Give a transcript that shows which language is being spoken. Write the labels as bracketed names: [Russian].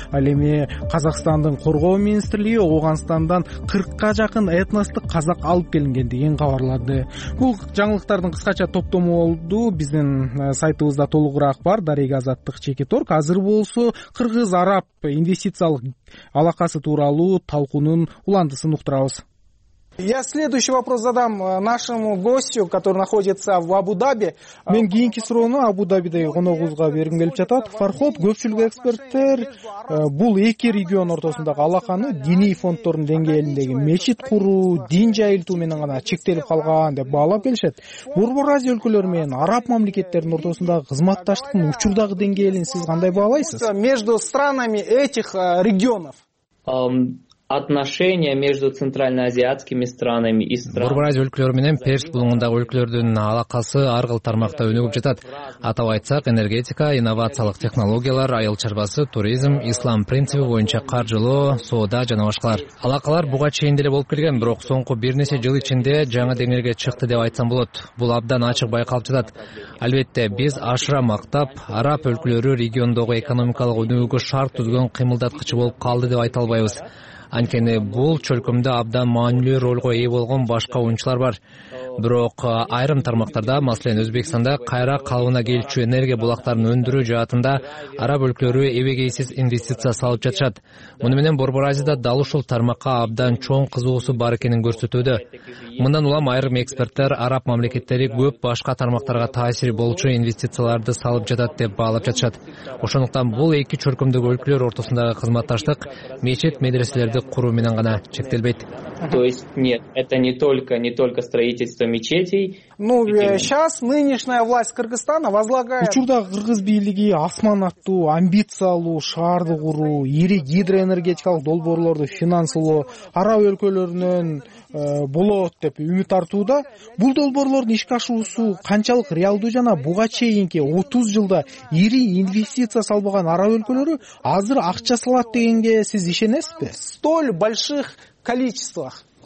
[Kyrgyz] Ал эми Казакстандын коргоо министрлиги Ооганстандан 40 жакын этностук казак алып келингендигин кабарлады. Бул жаңылыктардын кыскача топтому болду. Биздин сайтыбызда толугураак бар, Дарига Азаттык Чекиторг. Азыр болсо кыргыз араб инвестициялык алакасы тууралуу талкуунун уландысын уктурабыз. [Russian] Я следующий вопрос задам нашему гостю, который находится в Абу-Даби. [Kyrgyz] Мен кийинки суроону Абу-Дабидеги коногубузга бергим келип жатат. Фархот, көпчүлүк эксперттер бул эки регион ортосундагы алаканы диний фонддордун деңгээлиндеги мечит куруу, дин жайылтуу менен гана чектелип калган деп баалап келишет. Борбор Азия өлкөлөрү менен араб мамлекеттеринин ортосундагы кызматташтыктын учурдагы деңгээлин сиз кандай баалайсыз? [Russian] Между странами этих регионов. Отношения между центральноазиатскими странами и странами. [Kyrgyz] Борбор Азия өлкөлөрү менен Перс булуңундагы өлкөлөрдүн алакасы ар кыл тармакта өнүгүп жатат. Атап айтсак, энергетика, инновациялык технологиялар, айыл чарбасы, туризм, ислам принциби боюнча каржылоо, соода жана башкалар. Алакалар буга чейин деле болуп келген, бирок соңку бир нече жыл ичинде жаңы деңгээлге чыкты деп айтсам болот. Бул абдан ачык байкалып жатат. Албетте, биз ашыра мактап, араб өлкөлөрү региондогу экономикалык өнүгүүгө шарт түзгөн кыймылдаткычы болуп калды деп айта албайбыз. Анткени бул чөлкөмдө абдан маанилүү ролго ээ болгон башка оюнчулар бар. Бирок айрым тармактарда, маселен Өзбекстанда, кайра калыбына келчү энергия булактарын өндүрүү жаатында араб өлкөлөрү эбегейсиз инвестиция салып жатышат. Муну менен Борбор Азияда дал ушул тармакка абдан чоң кызыгуусу бар экенин көрсөтүүдө. Мындан улам айрым эксперттер араб мамлекеттери көп башка тармактарга таасири болчу инвестицияларды салып жатат деп баалап жатышат. Ошондуктан бул эки чөлкөмдөгү өлкөлөр ортосундагы кызматташтык мечит, медреселерди куруу менен гана чектелбейт. [Russian] То есть нет, это не только строительство мечетей. Ну, сейчас нынешняя власть Кыргызстана возлагает. [Kyrgyz] Учурда кыргыз бийлиги Асман аттуу амбициялуу шаарды куруу, ири гидроэнергетикалык долбоорлорду финансылоо араб өлкөлөрүнөн болот деп үмүт артууда. Бул долбоорлордун ишке ашуусу канчалык реалдуу жана буга чейинки 30 жылда ири инвестиция салбаган араб өлкөлөрү азыр акча салат дегенге сиз ишенесизби? [Russian] Столь больших количествах.